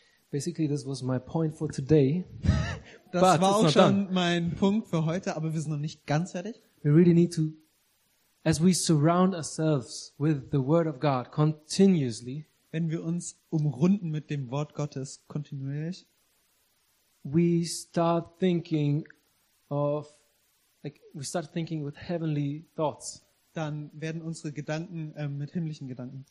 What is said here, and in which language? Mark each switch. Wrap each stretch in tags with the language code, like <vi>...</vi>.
<en>Basically, this was my point for today.</en> <de>Das</de> <en>but</en> <de>war auch schon</de> <en>done.</en> <de>Mein Punkt für heute, aber wir sind noch nicht ganz fertig.</de> <en>We really need to, as we surround ourselves with the Word of God continuously,</en> <de>wenn wir uns umrunden mit dem Wort Gottes kontinuierlich,</de> <en>we start thinking of, like, we start thinking with heavenly thoughts.</en> <de>Dann werden unsere Gedanken mit himmlischen Gedanken.</de>